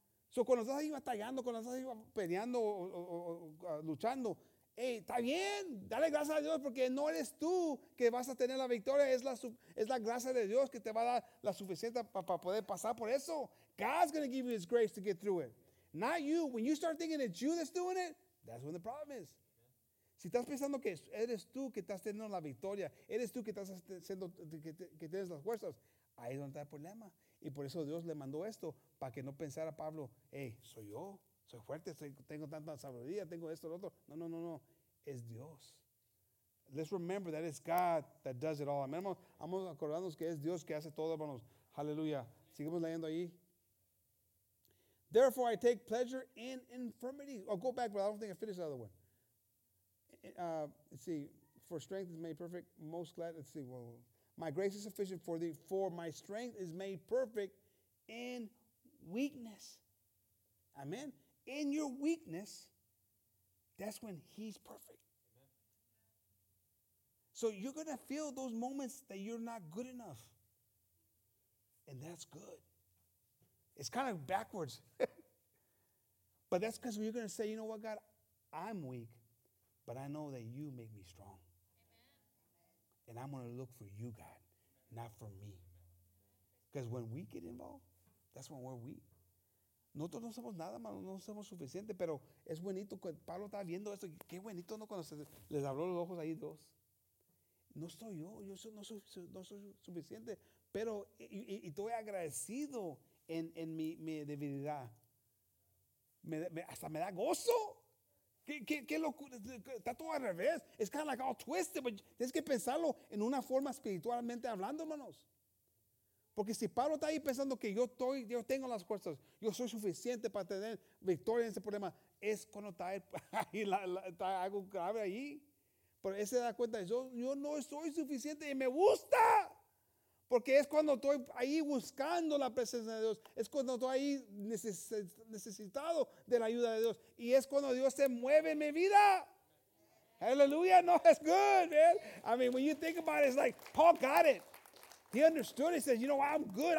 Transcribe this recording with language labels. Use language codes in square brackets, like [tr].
[es] So cuando estás ahí batallando, cuando estás ahí peleando o luchando, hey, está bien, dale gracias a Dios porque no eres tú que vas a tener la victoria, es la gracia de Dios que te va a dar la suficiente para poder pasar por eso. [en] God's going to give you his grace to get through it, not you. When you start thinking it's you that's doing it, that's when the problem is. [es] Si estás pensando que eres tú que estás teniendo la victoria, eres tú que estás haciendo que tienes las fuerzas, ahí es donde está el problema. Y por eso Dios le mandó esto, para que no pensara Pablo, hey, soy yo. Soy fuerte, tengo tanta sabiduría, tengo esto, lo otro. No, no, no, no. Es Dios. [en] Let's remember that it's God that does it all. [es] Amén. Vamos a acordarnos que es Dios que hace todo, hermanos. Aleluya. Sigamos leyendo ahí. [en] Therefore, I take pleasure in infirmities. Oh, go back, but I don't think I finished the other one. Let's see. For strength is made perfect, most glad. Let's see. Well, my grace is sufficient for thee, for my strength is made perfect in weakness. Amén. In your weakness, that's when he's perfect. Amen. So you're going to feel those moments that you're not good enough. And that's good. It's kind of backwards. But that's because you're going to say, you know what, God? I'm weak, but I know that you make me strong. Amen. And I'm going to look for you, God, not for me. Because when we get involved, that's when we're weak. [es] Nosotros no somos nada, mano, no somos suficiente, pero es bonito. Pablo está viendo esto. Qué bonito, ¿no? Cuando se les abrió los ojos ahí dos. No soy yo, no soy suficiente, pero y estoy agradecido en mi debilidad. Hasta me da gozo. ¿Qué locura? Está todo al revés. [en] It's kind of like all twisted, but [es] tienes que pensarlo en una forma espiritualmente hablando, hermanos. Porque si Pablo está ahí pensando que yo tengo las fuerzas, yo soy suficiente para tener victoria en ese problema, es cuando está ahí, está algo grave ahí. Pero él se da cuenta, yo no soy suficiente y me gusta. Porque es cuando estoy ahí buscando la presencia de Dios. Es cuando estoy ahí necesitado de la ayuda de Dios. Y es cuando Dios se mueve en mi vida. Aleluya, no, es [en] good, man. I mean, when you think about it, it's like, Paul got it. He understood. He said, you know, I'm good.